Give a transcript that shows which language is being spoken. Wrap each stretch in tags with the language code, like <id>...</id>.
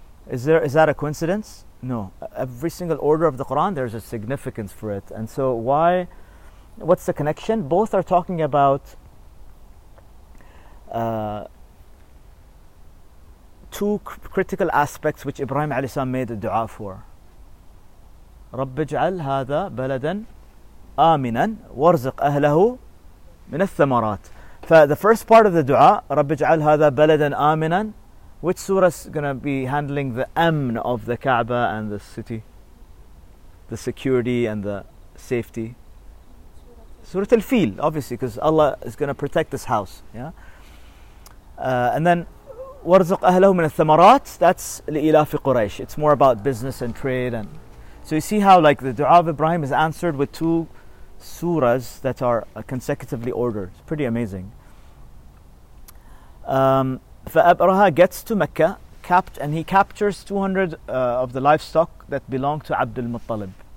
<en>Is that a coincidence? No. Every single order of the Quran, there's a significance for it. And so why, what's the connection? Both are talking about two critical aspects which Ibrahim alayhi salam made a dua for.</en> <ar>رب اجعل هذا بلدا آمنا وارزق أهله من الثمرات.</ar> <en>The first part of the dua,</en> <ar>رب اجعل هذا بلدا آمنا,</ar> <en>which surah is going to be handling the amn of the Kaaba and the city, the security and the safety? Surah Al-Fil, obviously, because Allah is going to protect this house. And then</en> <ar>وارزق أهله من الثمرات,</ar> <en>that's</en> <ar>لإلاف قريش.</ar> <en>It's more about business and trade. And so you see how like the dua of Ibrahim is answered with two surahs that are consecutively ordered. It's pretty amazing. Abraha gets to Mecca, and he captures 200 of the livestock that belong to Abdul Muttalib.</en>